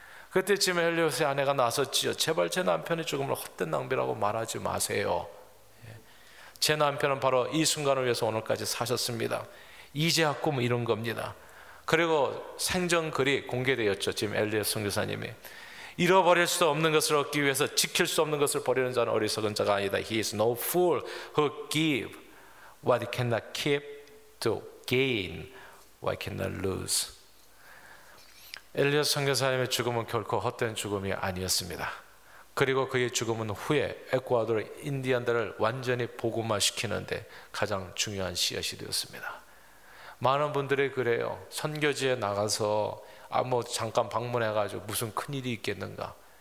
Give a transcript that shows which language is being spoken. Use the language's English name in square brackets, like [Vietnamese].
[Korean] 그때쯤 엘리엇의 아내가 나섰지요. 제발 제 남편의 죽음을 헛된 낭비라고 말하지 마세요. 제 남편은 바로 이 순간을 위해서 오늘까지 사셨습니다. 이제야 꿈 이룬 겁니다. 그리고 생전글이 공개되었죠. 지금 엘리엇 선교사님이 잃어버릴 수도 없는 것을 얻기 위해서 지킬 수 없는 것을 버리는 자는 어리석은 자가 아니다. [English] He is no fool who give what he cannot keep to gain what he cannot lose. [Korean] 엘리엇 선교사님의 죽음은 결코 헛된 죽음이 아니었습니다. 그리고 그의 죽음은 후에 에콰도르 인디언들을 완전히 복음화시키는데 가장 중요한 씨앗이 되었습니다. 많은 분들이 그래요. 선교지에 나가서 뭐 잠깐 방문해가지고 무슨 큰일이 있겠는가.